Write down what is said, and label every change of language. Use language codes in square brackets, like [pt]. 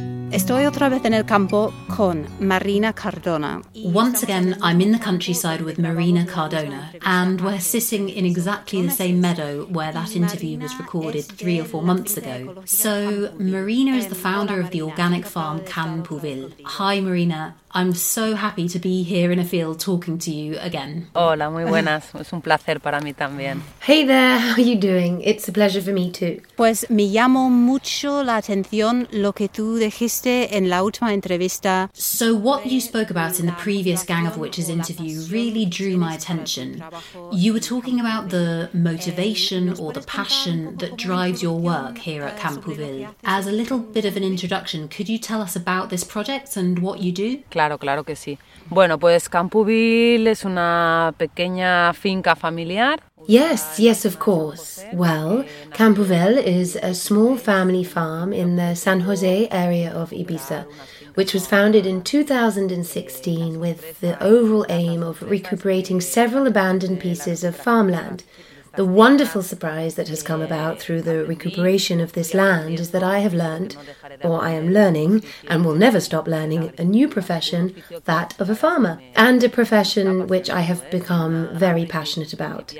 [es] Estoy otra vez en el campo con Marina Cardona. [en] Once again, I'm in the countryside with Marina Cardona, and we're sitting in exactly the same meadow where that interview was recorded 3 or 4 months ago. So Marina is the founder of the organic farm Campoville. Hi, Marina. I'm so happy to be here in a field talking to you again. [es] Hola, muy buenas. Es un placer para mí también. [en] Hey there, how are you doing? It's a pleasure for me too. [es] Pues me llamó mucho la atención lo que tú dijiste en la última entrevista. [en] So what you spoke about in the previous Gang of Witches interview really drew my attention. You were talking about the motivation or the passion that drives your work here at Campoville. As a little bit of an introduction, could you tell us about this project and what you do? [es] Claro, claro que sí. Bueno, pues Campoville es una pequeña finca familiar. [en] Yes, yes, of course. Well, Campoville is a small family farm in the San José area of Ibiza, which was founded in 2016 with the overall aim of recuperating several abandoned pieces of farmland. The wonderful surprise that has come about through the recuperation of this land is that I have learned, or I am learning, and will never stop learning, a new profession, that of a farmer, and a profession which I have become very passionate about.